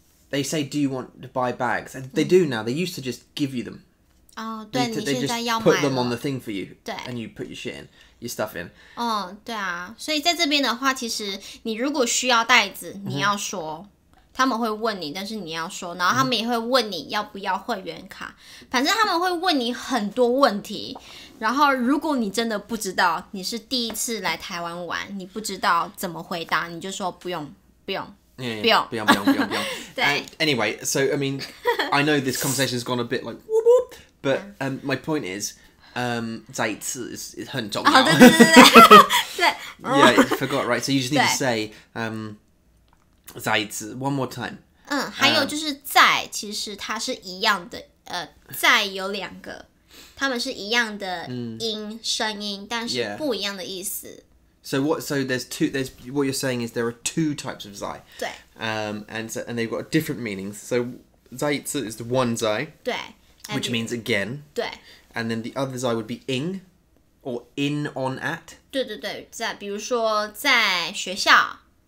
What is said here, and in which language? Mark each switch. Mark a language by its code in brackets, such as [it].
[en] They say, do you want to buy bags? And they do now. They used to just give you them. [zh] Oh, 对，你现在要买了。 [en] They just put them on the thing for you. [zh] 对。 [en] And you put your shit in. Your stuff in. [zh] 对啊，所以在这边的话，其实你如果需要袋子，你要说。他们会问你，但是你要说，然后他们也会问你要不要会员卡，反正他们会问你很多问题。然后如果你真的不知道，你是第一次来台湾玩，你不知道怎么回答，你就说不用，不用。 [en] Anyway, so I mean, I know this conversation has gone a bit like whoop whoop, but my point is, [zh] 再一次 [en] is [zh] 很重要。 Oh, 对 [en] yeah, you forgot, right? So you just need to say, [zh] 再一次 [en] one more time. [zh] 还有就是再，其实它是一样的，再有两个，它们是一样的音、声音，但是不一样的意思。 [en] Yeah. So there's what you're saying is there are two types of zai. [zh] 对。 [en] And they've got different meanings. So zai zi is the one zai. [zh] 对。 [en] Which means again. [zh] 对。 [en] And then the other zai would be ing, or in on at. [zh] 对对对，在比如说在学校。